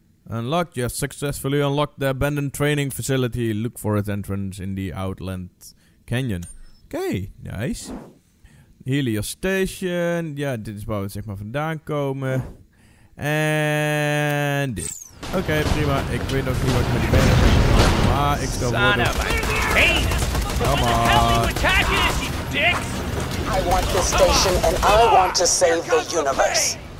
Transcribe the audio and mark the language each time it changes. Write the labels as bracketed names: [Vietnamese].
[English] Unlocked. You successfully unlocked the abandoned training facility. Look for its entrance in the Outland Canyon. Oké, okay, nice. Helios Station. [Dutch] Ja, dit is waar we zeg maar vandaan komen. En dit. Oké, okay, prima. Ik weet nog niet wat ik met die benen heb. Maar ik stel voor dat... [English] I want this station and I want to save the universe.